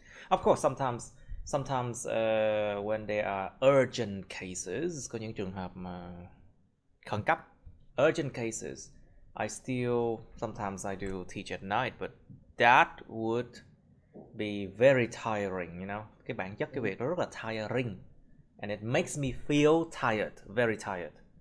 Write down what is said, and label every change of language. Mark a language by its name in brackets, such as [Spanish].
[English] Of course, sometimes when there are urgent cases, [Vietnamese] có những trường hợp mà khẩn cấp, [English] urgent cases, I still, sometimes I do teach at night, but that would be very tiring, you know? [Vietnamese] Cái bản chất cái việc đó rất là tiring. [English] And it makes me feel tired, very tired.